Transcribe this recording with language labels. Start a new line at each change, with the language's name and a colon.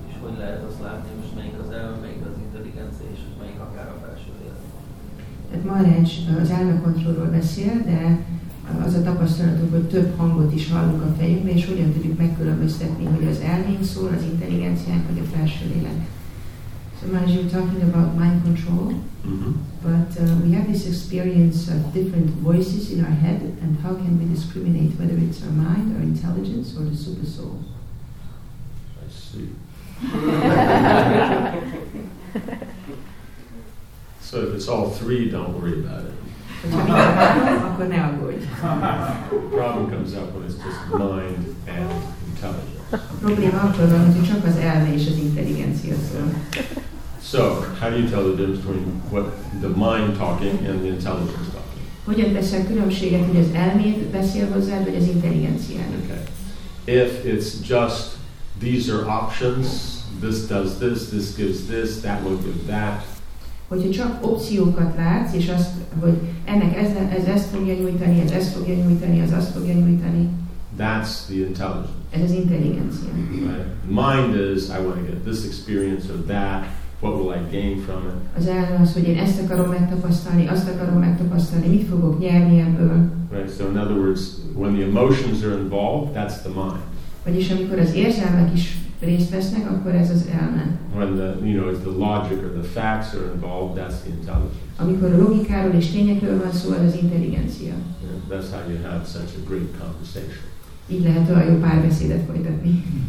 Hungarian: És hogy lehet azt látni, hogy most melyik az elme, melyik az intelligencia, és melyik akár a felső élet? Tehát Maharaj az elmekontrollról beszél, de az a tapasztalatunk, hogy több hangot is hallunk a fejünkben, és hogyan tudjuk megkülönböztetni, hogy az elménk szól, az intelligenciánk, vagy a felső élet.
English: So Maharaj, you're talking about mind control, but we have this experience of different voices in our head, and how can we discriminate whether it's our mind, our intelligence, or the super soul? I see. So if it's all three, don't worry about it. The problem comes up when it's just mind and intelligence.
Hungarian: Probléma akkor van, hogy csak az elme és az intelligencia szól.
English: So, how do you tell the difference between what the mind talking and the intelligence talking?
Hungarian: Hogyan teszel különbséget, hogy az elméd beszél hozzá, vagy az intelligencián?
English: Okay. If it's just, these are options, this does this, this gives this, that will give that.
Hungarian: Hogyha csak opciókat látsz, és azt, hogy ennek ez ezt fogja nyújtani, ez ezt fogja nyújtani, az azt fogja nyújtani.
English: That's the intelligence.
Hungarian: Ez az intelligencia.
English: Right? Mind is, I want to get this experience or that. What will I gain from it?
Hungarian: Az elme az, hogy én ezt akarom megtapasztalni, azt akarom megtapasztalni, mit fogok nyerni ebből.
English: Right, so in other words, when the emotions are involved, that's the mind.
Hungarian: Vagyis amikor az érzelmek is részt vesznek, akkor ez az elme.
English: When the, you know, if the logic or the facts are involved, that's the intelligence.
Hungarian: Amikor a logikáról és tényekről van szó, az intelligencia.
English: Yeah, that's how you have such a great conversation.
Hungarian: Így lehet olyan jó párbeszédet folytatni.